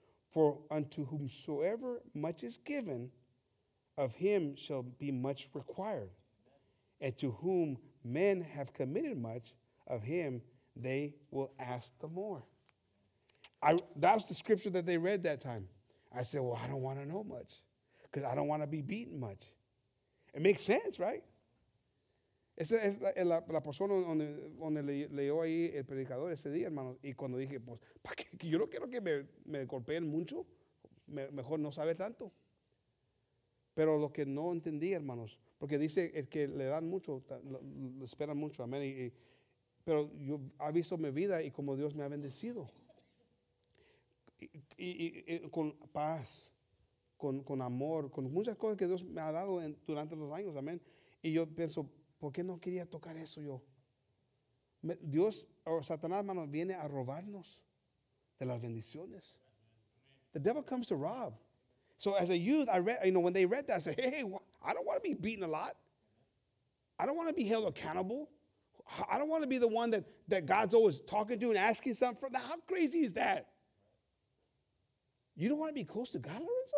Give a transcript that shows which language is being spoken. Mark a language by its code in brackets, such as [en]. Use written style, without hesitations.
[en] For unto whomsoever much is given, of him shall be much required. And to whom men have committed much, of him they will ask the more. That was the scripture that they read that time. I said, I don't want to know much because I don't want to be beaten much. It makes sense, right? [es] Esa es la persona donde leyó ahí el predicador ese día, hermano. Y cuando dije, ¿para qué? Yo no quiero que me golpeen mucho. Mejor no saber tanto. Pero lo que no entendí, hermanos, porque dice el que le dan mucho, lo esperan mucho, amén. Pero yo he visto mi vida y como Dios me ha bendecido. Y con paz, con amor, con muchas cosas que Dios me ha dado durante los años, amén. Y yo pienso, ¿por qué no quería tocar eso yo? Dios, o Satanás, hermano, viene a robarnos de las bendiciones. [en] The devil comes to rob. So as a youth, I read, you know, when they read that, I said, hey, I don't want to be beaten a lot. I don't want to be held accountable. I don't want to be the one that God's always talking to and asking something from. Now, how crazy is that? You don't want to be close to God, Lorenzo?